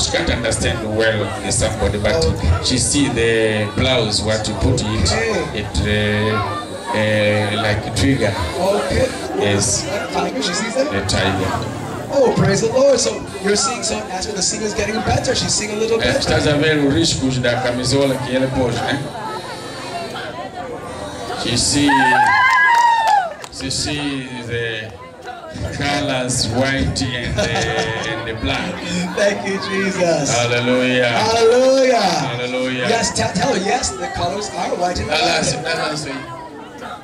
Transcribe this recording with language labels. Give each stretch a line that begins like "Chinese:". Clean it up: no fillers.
English: She can't understand well the somebody, but okay. She see the blouse, what you put okay. It. It like a trigger. Okay. Yes. Tiger, she sees that? A tiger. Oh, praise the Lord. So you're seeing some after the singer's getting better. She's seeing a little better.
Portuguese: Estás a ver o risco da camisola que ele pôs, né?
English: She see. She see the colors white and the black. Thank you, Jesus. Hallelujah. Hallelujah. Hallelujah. Yes, tell her, yes, the colors are white and black.